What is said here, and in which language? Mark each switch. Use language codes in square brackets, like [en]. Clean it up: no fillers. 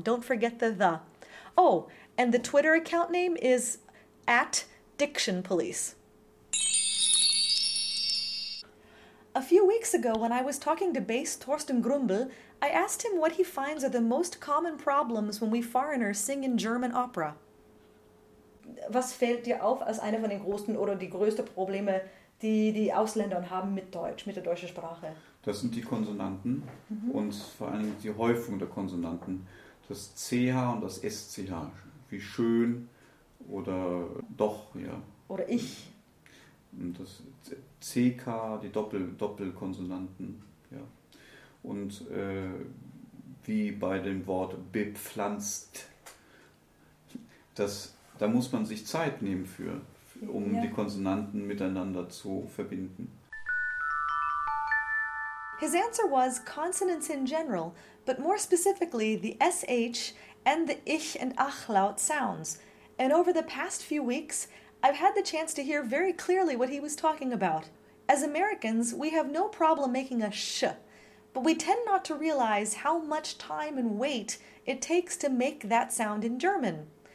[en] Don't forget the. Oh, and the Twitter account name is @DictionPolice. A few weeks ago, when I was talking to bass Thorsten Grumbel, I asked him what he finds are the most common problems when we foreigners sing in German opera. [de] Was fällt dir auf als eine von den großen oder die größten Probleme, die Ausländer haben mit Deutsch, mit der deutschen Sprache? Das sind die Konsonanten und vor allem die Häufung der Konsonanten. Das CH und das SCH, wie schön oder doch, ja. Oder ich. Und das CK, die Doppelkonsonanten, ja. Und wie bei dem Wort bepflanzt, da muss man sich Zeit nehmen für, um die Konsonanten miteinander zu verbinden. [en] His answer was consonants in general, but more specifically the SH and the ich and achlaut sounds. And over the past few weeks, I've had the chance to hear very clearly what he was talking about. As Americans, we have no problem making a sh, but we tend not to realize how much time and weight it takes to make that sound in German.